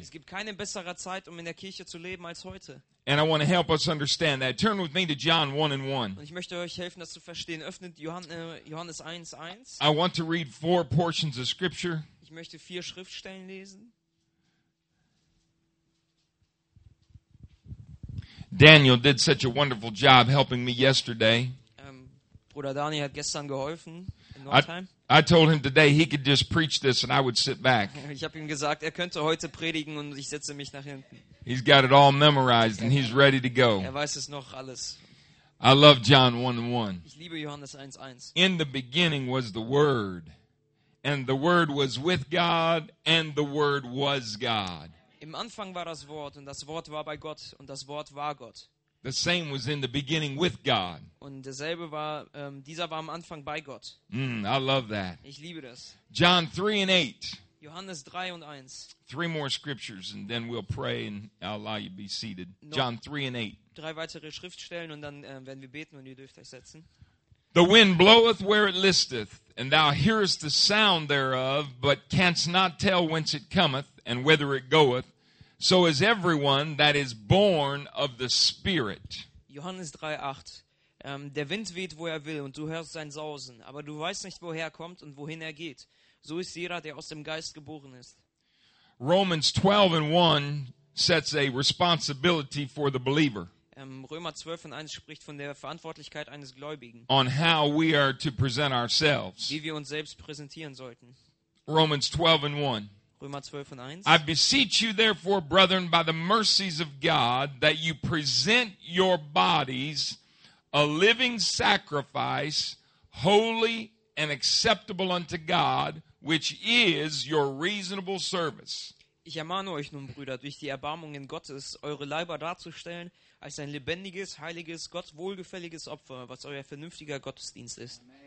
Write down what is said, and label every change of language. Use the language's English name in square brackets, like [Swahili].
[German] Es gibt keine bessere Zeit, in der Kirche zu leben, als heute. [English] And I want to help us understand that. Turn with me to John 1 and 1. [German] Und ich möchte euch helfen, das zu verstehen. Öffnet Johannes 1:1. [English] I want to read four portions of scripture. [German] Ich möchte vier Schriftstellen lesen. [English] Daniel did such a wonderful job helping me yesterday. [German] Bruder Daniel hat gestern geholfen in Nordheim. [English] I told him today he could just preach this and I would sit back. [German] Ich habe ihm gesagt, er könnte heute predigen und ich setze mich nach hinten. [English] He's got it all memorized and he's ready to go. [German] Er weiß es noch alles. [English] I love John 1:1. [German] Ich liebe Johannes 1:1. [English] In the beginning was the Word, and the Word was with God, and the Word was God. [German] Im Anfang war das Wort und das Wort war bei Gott und das Wort war Gott. [English] The same was in the beginning with God. [German] Und derselbe war dieser war am Anfang bei Gott. [English] I love that. [German] Ich liebe das. [English] John 3:8. [German] Johannes 3:1. [English] Three more scriptures and then we'll pray and I'll allow you to be seated. John 3:8. [German] Drei weitere Schriftstellen und dann werden wir beten und ihr dürft euch setzen. [English] The wind bloweth where it listeth, and thou hearest the sound thereof, but canst not tell whence it cometh, and whither it goeth. So is everyone that is born of the Spirit. [German] Johannes 3:8. Der Wind weht, wo er will, und du hörst sein Sausen, aber du weißt nicht, woher er kommt und wohin er geht. So ist jeder, der aus dem Geist geboren ist. [English] Romans 12:1 sets a responsibility for the believer. [German] Römer 12:1 spricht von der Verantwortlichkeit eines Gläubigen. [English] On how we are to present ourselves. [German] Wie wir uns selbst präsentieren sollten. [English] Romans 12:1. [German] Römer 12 und 1. [English] I beseech you therefore, brethren, by the mercies of God, that you present your bodies a living sacrifice, holy and acceptable unto God, which is your reasonable service. [German] Ich ermahne euch nun, Brüder, durch die Erbarmungen Gottes, eure Leiber darzustellen als ein lebendiges, heiliges, Gott wohlgefälliges Opfer, was euer vernünftiger Gottesdienst ist.